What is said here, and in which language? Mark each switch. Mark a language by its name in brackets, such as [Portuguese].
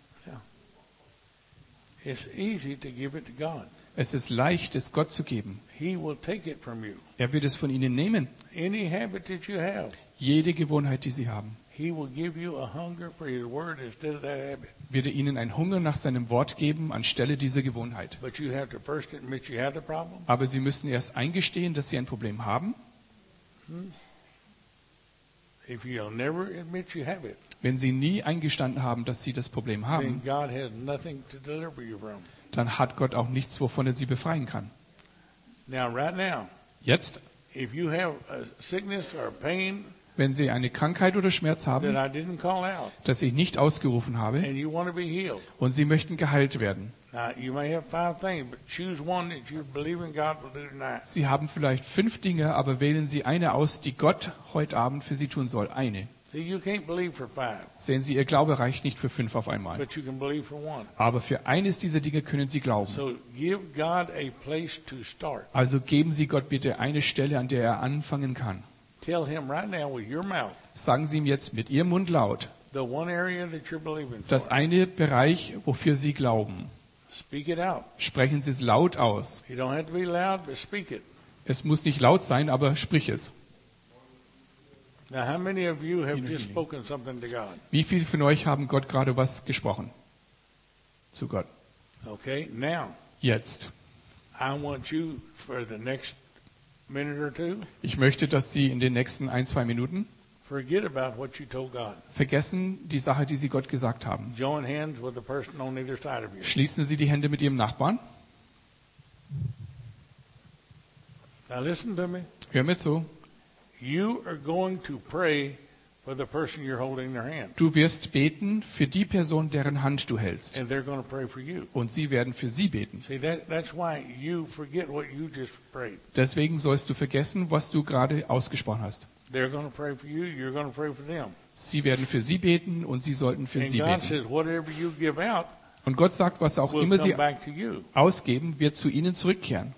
[English] Yeah. It's easy to give it to God. [German] Es ist leicht, es Gott zu geben. [English] He will take it from you. [German] Er wird es von Ihnen nehmen. [English] Any habit that you have, [German] jede Gewohnheit, die Sie haben, wird er Ihnen einen Hunger nach seinem Wort geben, anstelle dieser Gewohnheit. [English] But you have to first admit you have the problem. [German] Aber Sie müssen erst eingestehen, dass Sie ein Problem haben. [English] If you'll never admit you have it, [German] wenn Sie nie eingestanden haben, dass Sie das Problem haben, [English] then God has nothing to deliver you from. [German] Dann hat Gott auch nichts, wovon er sie befreien kann. [English] Now, right now, [German] jetzt, [English] if you have a sickness or a pain, [German] wenn Sie eine Krankheit oder Schmerz haben, [English] that I didn't call out, [German] das ich nicht ausgerufen habe, [English] and you want to be healed, [German] und Sie möchten geheilt werden, Sie haben vielleicht 5 Dinge, aber wählen Sie eine aus, die Gott heute Abend für Sie tun soll. Eine. [English] See, you can't believe for five. [German] Sehen Sie, Ihr Glaube reicht nicht für fünf auf einmal. [English] But you can believe for one. [German] Aber für eines dieser Dinge können Sie glauben. [English] So give God a place to start. [German] Also geben Sie Gott bitte eine Stelle, an der er anfangen kann. [English] Tell him right now with your mouth, [German] sagen Sie ihm jetzt mit Ihrem Mund laut, [English] the one area that you're believing [German] for. Das eine Bereich, wofür Sie glauben. [English] Speak it out. [German] Sprechen Sie es laut aus. [English] You don't have to be loud, but speak it. [German] Es muss nicht laut sein, aber sprich es. [English] Now, how many of you have just spoken something to God? [German] Wie viele von euch haben Gott gerade was gesprochen? Zu Gott. [English] Okay, now. [German] Jetzt. [English] I want you for the next minute or two. [German] Ich möchte, dass Sie in den nächsten ein, zwei Minuten [English] forget about what you told God. [German] Vergessen die Sache, die Sie Gott gesagt haben. [English] Join hands with the person on either side of you. [German] Schließen Sie die Hände mit Ihrem Nachbarn. [English] Now listen to me. [German] Hör mir zu. [English] You are going to pray for the person you're holding their hand. [German] Du wirst beten für die Person, deren Hand du hältst. [English] And they're going to pray for you. [German] Und sie werden für sie beten. [English] See, that's why you forget what you just prayed. [German] Deswegen sollst du vergessen, was du gerade ausgesprochen hast. [English] They're going to pray for you, you're going to pray for them. [German] Sie werden für sie beten und sie sollten für sie beten. [English] And God says, whatever you give out, [German] und Gott sagt, was auch immer sie ausgeben, wird zu ihnen zurückkehren.